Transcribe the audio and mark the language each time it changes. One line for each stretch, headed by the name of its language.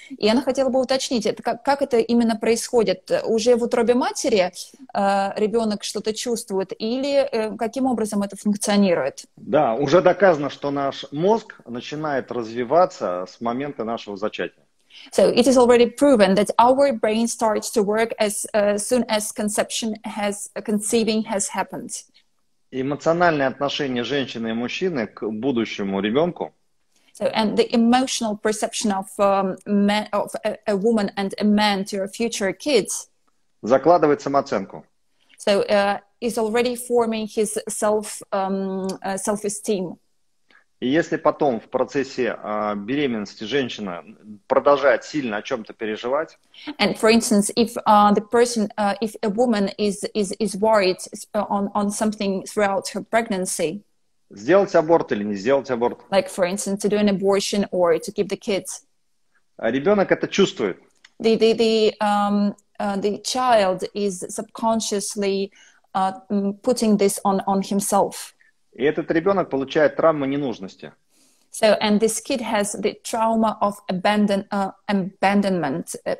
Russian: И она хотела бы уточнить, это, как это именно происходит? Уже в утробе матери ребенок что-то чувствует или каким образом это функционирует? Да, уже доказано, что наш мозг начинает развиваться с момента нашего зачатия.
English: So it is already proven that our brain starts to work as soon as conceiving has happened.
Russian: Эмоциональное отношение женщины и мужчины к будущему ребенку.
English: So and the emotional perception of a woman and a man to your future kids.
Russian: Закладывает самооценку.
English: So is already forming his self-esteem.
Russian: И если потом в процессе беременности женщина продолжает сильно о чем-то переживать,
English: and for instance, if the person, if a woman is worried on something throughout her pregnancy,
Russian: сделать аборт или не сделать аборт,
English: like for instance, to do an abortion or to keep the kids,
Russian: ребенок это чувствует.
English: The child is subconsciously putting this on himself.
Russian: И этот ребенок получает травму ненужности.
English: So, and this kid has the trauma of abandonment.